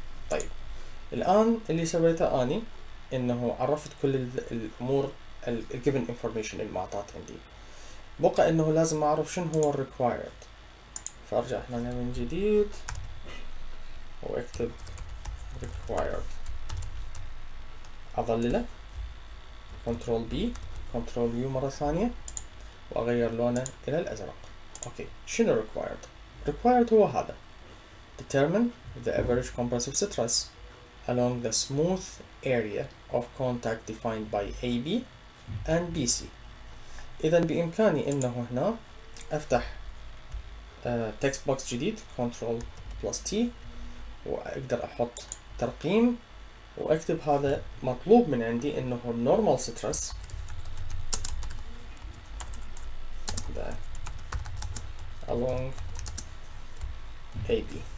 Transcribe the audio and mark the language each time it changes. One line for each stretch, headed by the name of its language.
Arabic: طيب الان اللي سويته اني انه عرفت كل الامور الجيفن انفورميشن اللي معطات عندي، بقى انه لازم اعرف شنو هو الريكوايرد. فارجع هنا من جديد واكتب required، اظلله كنترول بي كنترول يو مره ثانيه واغير لونه الى الازرق. اوكي شنو required؟ required هو هذا
English: determine the average compressive stress along the smooth area of contact defined by AB and BC.
Arabic: اذا بامكاني انه هنا افتح تكست بوكس جديد كنترول بلس تي واقدر احط ترقيم واكتب هذا مطلوب من عندي انه النورمال ستريس ده
English: along AB.